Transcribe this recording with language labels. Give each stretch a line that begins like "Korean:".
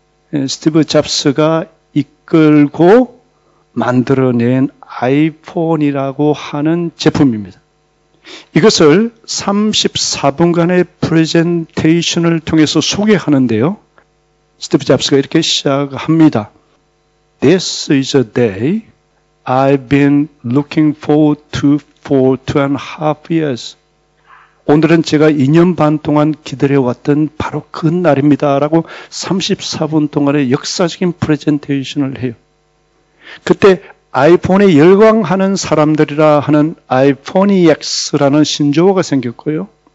Korean: 스티브 잡스가 이끌고 만들어낸 아이폰이라고 하는 제품입니다. 이것을 34분간의 프레젠테이션을 통해서 소개하는데요. 스티브 잡스가 이렇게 시작합니다.
English: This is a day I've been looking forward to for 2.5 years.
Korean: 오늘은 제가 2년 반 동안 기다려왔던 바로 그 날입니다. 라고 34분 동안의 역사적인 프레젠테이션을 해요. 그때 아이폰에 열광하는 사람들이라 하는 아이포니엑스라는 신조어가 생겼고요.